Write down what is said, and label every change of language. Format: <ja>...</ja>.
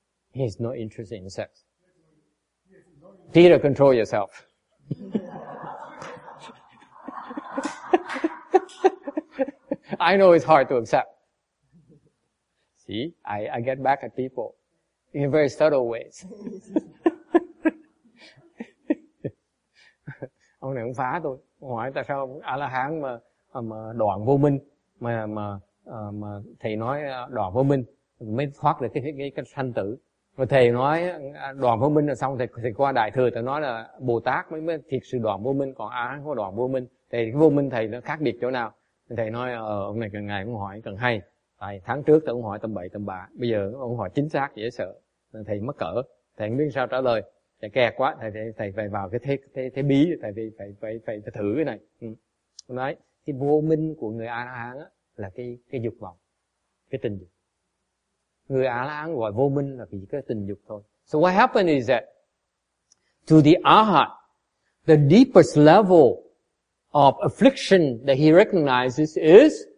<en>He has no interest in sex. Peter, control yourself. I know it's hard to accept. See, I get back at people in very subtle ways.</en> <vi>Ông này ông phá tôi. Hỏi tại sao A-la-hán mà đoạn vô minh, mà thầy nói đoạn vô minh mới thoát được cái sanh tử. Mà thầy nói đoạn vô minh là xong, thầy qua đại thừa thầy nói là Bồ Tát mới thiệt sự đoạn vô minh, còn A-la-hán có đoạn vô minh. Thầy cái vô minh thầy nó khác biệt chỗ nào? Thầy nói, ông này càng ngày cũng hỏi càng hay. Tại tháng trước tôi cũng hỏi tầm bậy tầm bạ. Bây giờ ông hỏi chính xác, dễ sợ. Thầy mất cỡ. Thầy không biết sao trả lời. Thầy kẹt quá. Thầy phải vào cái thế bí. Thầy phải thử cái này. Ông nói, cái vô minh của người A-la-hán là cái dục vọng. Cái tình dục. Người A-la-hán gọi vô minh là vì cái tình dục thôi.</vi> <en>So what happened is that to the Arhat, the deepest level of affliction that he recognizes is?</en>